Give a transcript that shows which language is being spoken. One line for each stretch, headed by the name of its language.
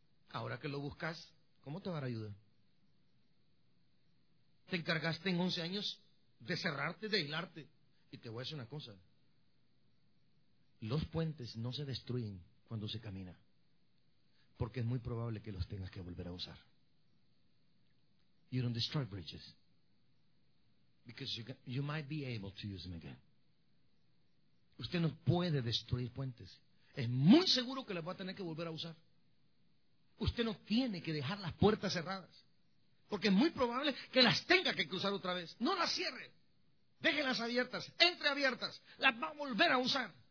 Spanish: Ahora que lo buscas, ¿cómo te va a dar ayuda? Te encargaste en 11 años de cerrarte, de aislarte. Y te voy a decir una cosa. Los puentes no se destruyen cuando se camina. Porque es muy probable que los tengas que volver a usar.
English: You don't destroy bridges. Because you might be able to use them again.
Spanish: Usted no puede destruir puentes. Es muy seguro que los va a tener que volver a usar. Usted no tiene que dejar las puertas cerradas. Porque es muy probable que las tenga que cruzar otra vez. No las cierre. Déjelas abiertas, entre abiertas. Las va a volver a usar.